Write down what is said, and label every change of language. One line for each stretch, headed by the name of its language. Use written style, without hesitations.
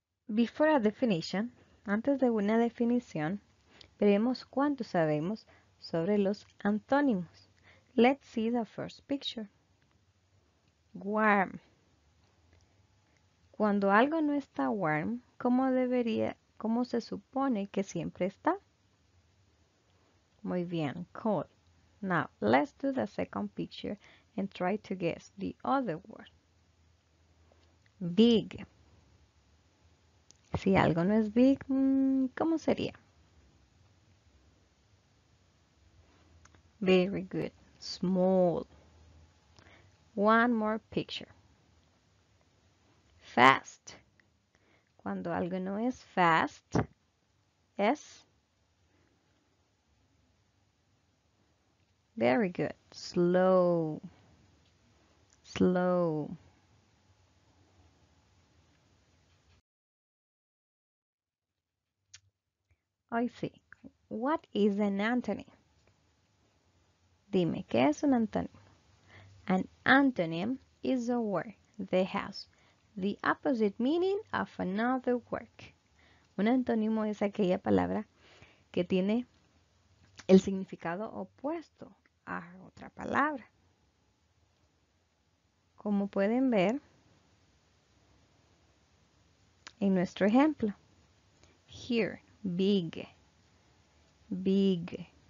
English: Before a definition,
Spanish: antes de una definición, veremos cuánto sabemos sobre los antónimos.
English: Let's see the first picture. Warm.
Spanish: Cuando algo no está warm, ¿cómo se supone que siempre está? Muy bien, cold.
English: Now, let's do the second picture and try to guess the other word.
Spanish: Big. Si algo no es big, ¿cómo sería?
English: Very good. Small. One more picture. Fast.
Spanish: Cuando algo no es fast, es...
English: Very good. Slow. Slow. I see. What is an antonym?
Spanish: Dime, ¿qué es un antónimo?
English: An antonym is a word that has the opposite meaning of another word.
Spanish: Un antónimo es aquella palabra que tiene el significado opuesto a otra palabra. Como pueden ver en nuestro ejemplo. Here. Big. Big.